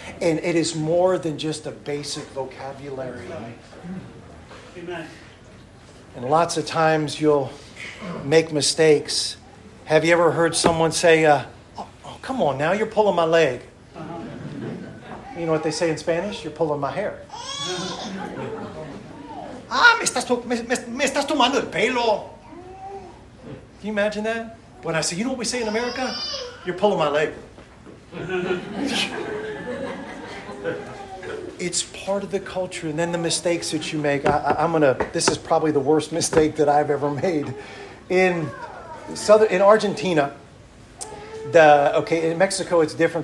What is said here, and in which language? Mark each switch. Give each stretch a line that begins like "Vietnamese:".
English: And it is more than just a basic vocabulary. Amen. And lots of times you'll make mistakes. Have you ever heard someone say, oh, come on now, you're pulling my leg. Uh-huh. You know what they say in Spanish? You're pulling my hair.
Spanish: Ah, me estás tomando el pelo.
English: Can you imagine that? When I say, you know what we say in America? You're pulling my leg. It's part of the culture. And then the mistakes that you make. This is probably the worst mistake that I've ever made. In Argentina, in Mexico, it's different.